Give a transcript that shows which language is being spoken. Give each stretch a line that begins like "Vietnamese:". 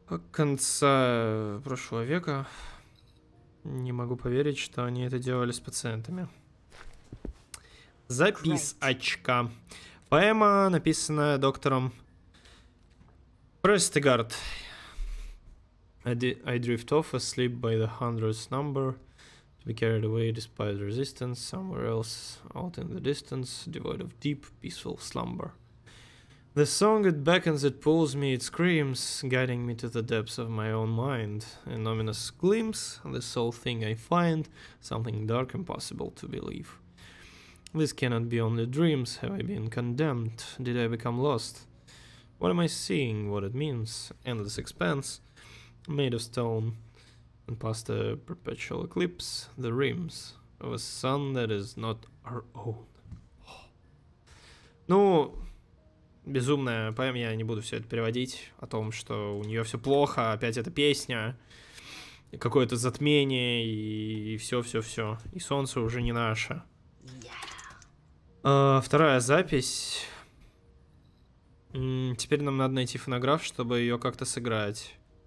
Russian: Конца прошлого века. Не могу поверить, что они это делали с пациентами. Записочка. Поэма, написанная доктором Престигард.
English: I drift off asleep by the hundredth number. Be carried away despite resistance somewhere else out in the distance, devoid of deep, peaceful slumber. The song, it beckons, it pulls me, it screams, guiding me to the depths of my own mind. An ominous glimpse, the sole thing I find, something dark, impossible to believe. This cannot be only dreams, have I been condemned? Did I become lost? What am I seeing, what it means? Endless expanse, made of stone. And past a perpetual eclipse, the rims of a sun that is not our own.
Russian: Ну, безумная поэма, я не буду все это переводить, о том, что у нее все плохо, опять эта песня, какое-то затмение, и все-все-все, и солнце уже не наше. Вторая запись. Теперь нам надо найти фонограф, чтобы ее как-то сыграть.